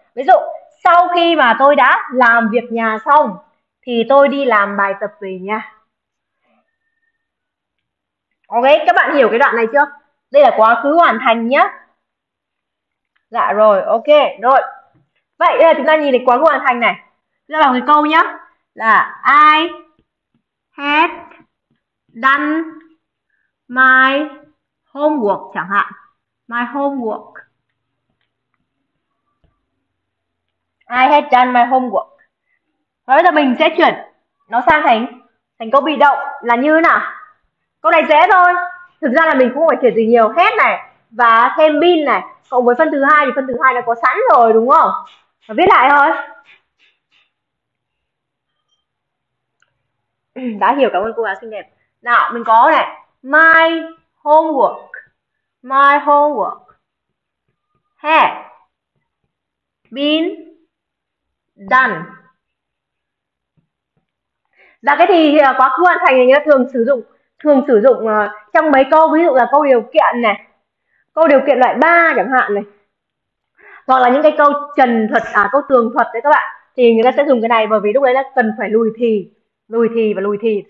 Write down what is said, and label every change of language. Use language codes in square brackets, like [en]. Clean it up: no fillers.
[vi] Ví dụ, sau khi mà tôi đã làm việc nhà xong thì tôi đi làm bài tập về nhà. Ok, các bạn hiểu cái đoạn này chưa? Đây là quá khứ hoàn thành nhá. Dạ rồi, ok, rồi. Vậy bây giờ chúng ta nhìn cái quá khứ hoàn thành này. Chúng ta làm cái câu nhá. [en] Là I had done my homework [vi] chẳng hạn. [en] My homework. I had done my homework. [vi] Và bây giờ mình sẽ chuyển nó sang thành câu bị động là như thế nào? Câu này dễ thôi. Thực ra là mình cũng không phải chuyển gì nhiều. Had này và thêm been này, cộng với phân thứ hai thì phân thứ hai đã có sẵn rồi đúng không? Và viết lại thôi. Đã hiểu, cảm ơn cô giáo xinh đẹp. Nào, mình có này. [en] My homework had been done. [vi] Và cái thì quá khứ hoàn thành thì người ta thường sử dụng trong mấy câu, ví dụ là câu điều kiện này, câu điều kiện loại 3 chẳng hạn này, hoặc là những cái câu trần thuật, câu tường thuật đấy các bạn. thì người ta sẽ dùng cái này, bởi vì lúc đấy là cần phải lùi thì và lùi thì.